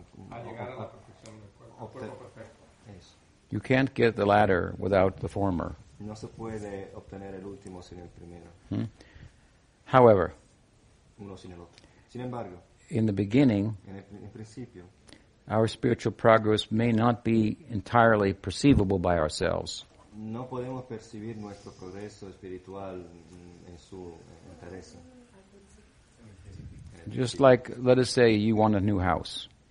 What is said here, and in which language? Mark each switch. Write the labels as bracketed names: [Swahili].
[Spanish] a llegar a la perfección del cuerpo perfecto. [English] Eso. You can't get the latter without the former. [Spanish] No se puede obtener el último sin el primero. [English] However, [Spanish] uno sin el otro. Sin embargo, [English] in the beginning, [Spanish] en principio, [English] our spiritual progress may not be entirely perceivable by ourselves. [Spanish] No podemos percibir nuestro progreso espiritual en su interés. [English] Just like, let us say, you want a new house.